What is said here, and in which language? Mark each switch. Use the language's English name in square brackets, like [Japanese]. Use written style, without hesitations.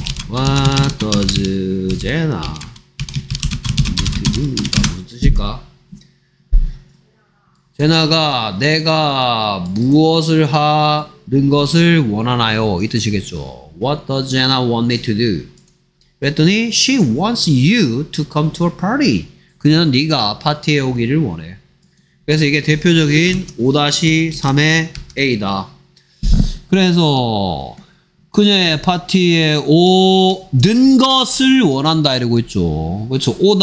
[English] What does Jenna want me to do? [Korean] 제나가 내가 무엇을 하는 것을 원하나요? 이 뜻이겠죠. [English] What does Jenna want me to do? [Korean] 그랬더니 [English] She wants you to come to a party. [Korean] 그녀는 네가 파티에 오기를 원해. 그래서 이게 대표적인 5-3의 A다. 그래서 그녀의 파티에 오는 것을 원한다 이러고 있죠. 그렇죠.